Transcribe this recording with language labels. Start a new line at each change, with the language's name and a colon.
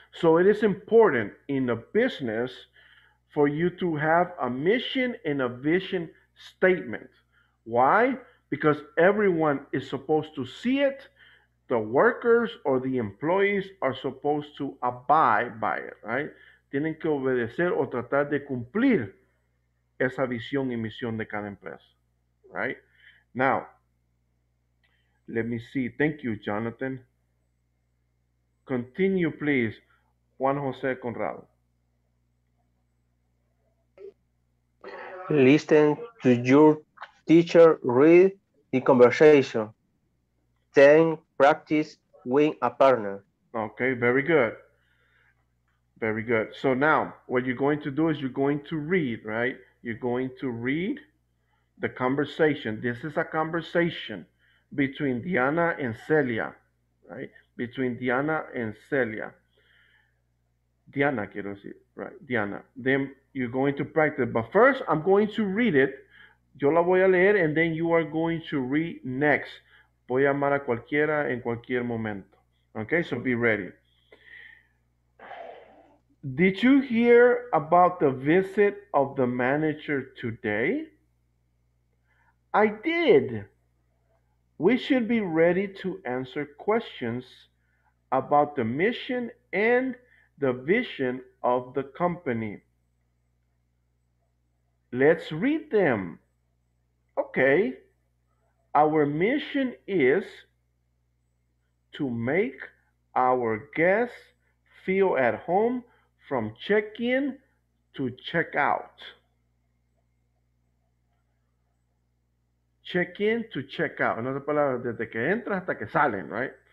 English: So it is important in the business for you to have a mission and a vision statement. Why? Because everyone is supposed to see it. The workers or the employees are supposed to abide by it, right?
Spanish: Tienen que obedecer o tratar de cumplir esa visión y misión de cada empresa, right?
English: Now, let me see. Thank you, Jonathan. Continue, please. Juan José Conrado. Listen to your teacher read the conversation. Then practice win a partner. Okay, very good. Very good. So now what you're going to do is you're going to read, right? You're going to read the conversation. This is a conversation between Diana and Celia, right? Between Diana and Celia. Diana,
Spanish: quiero decir,
English: right? Diana. Then you're going to practice. But first, I'm going to read it.
Spanish: Yo la voy a leer,
English: and then you are going to read next.
Spanish: Voy a llamar a cualquiera en cualquier momento.
English: Okay, so be ready. Did you hear about the visit of the manager today? I did. We should be ready to answer questions about the mission and the vision of the company. Let's read them. Okay. Our mission is to make our guests feel at home from check-in to check-out. Check-in to check-out.
Spanish: En otras palabras, desde que entras hasta que salen, right?